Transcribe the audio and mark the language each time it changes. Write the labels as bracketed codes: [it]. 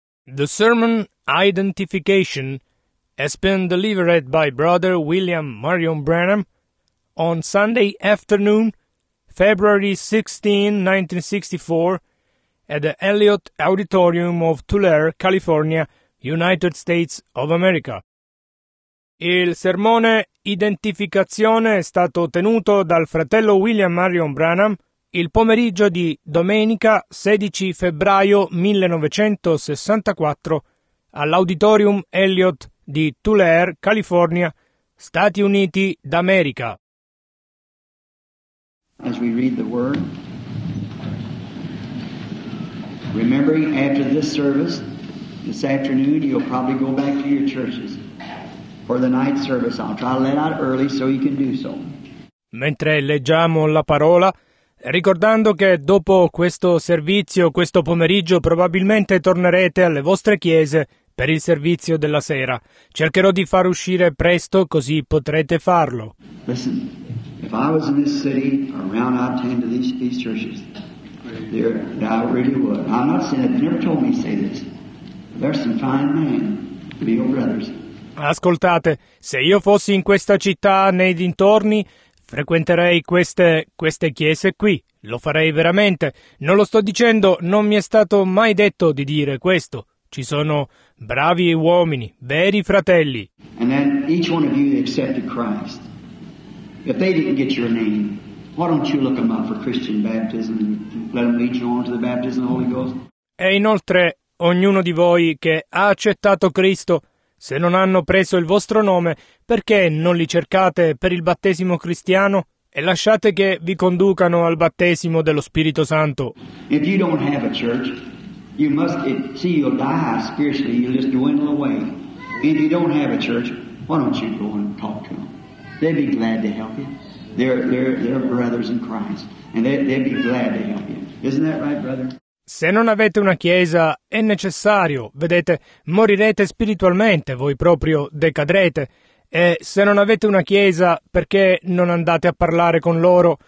[en] The sermon Identification has been delivered by Brother William Marion Branham on Sunday afternoon, February 16, 1964, at the Elliott Auditorium of Tulare, California, United States of America. [it] Il sermone Identificazione è stato tenuto dal fratello William Marion Branham il pomeriggio di domenica 16 febbraio 1964 all'Auditorium Elliott di Tulare, California, Stati Uniti d'America. [en] As we read the word, remembering after this service, this afternoon, you'll probably go back to your churches for the night service. I'll try to let out early so you can do so. [it] Mentre leggiamo la parola, ricordando che dopo questo servizio, questo pomeriggio, probabilmente tornerete alle vostre chiese per il servizio della sera. Cercherò di far uscire presto, così potrete farlo. [en] Listen, if I was in this city around out 10 to these churches, there I really would. I'm not saying that, they never told me to say this. There's some fine men, real brothers. [it] Ascoltate, se io fossi in questa città, nei dintorni, frequenterei queste chiese qui, lo farei veramente. Non lo sto dicendo, non mi è stato mai detto di dire questo. Ci sono bravi uomini, veri fratelli. [en] And then each one of you accepted Christ. If they didn't get your name, why don't you look them up for Christian baptism and let them lead you on to the baptism of the Holy Ghost? [it] E inoltre, ognuno di voi che ha accettato Cristo, se non hanno preso il vostro nome, perché non li cercate per il battesimo cristiano e lasciate che vi conducano al battesimo dello Spirito Santo? [en] If you don't have a church, you must see you'll die spiritually, you'll just dwindle away. If you don't have a church, why don't you go and talk to them? They'd be glad to help you. They're brothers in Christ, and they'd be glad to help you. Isn't that right, brother? [it] Se non avete una chiesa, è necessario, vedete, morirete spiritualmente, voi proprio decadrete. E se non avete una chiesa, perché non andate a parlare con loro?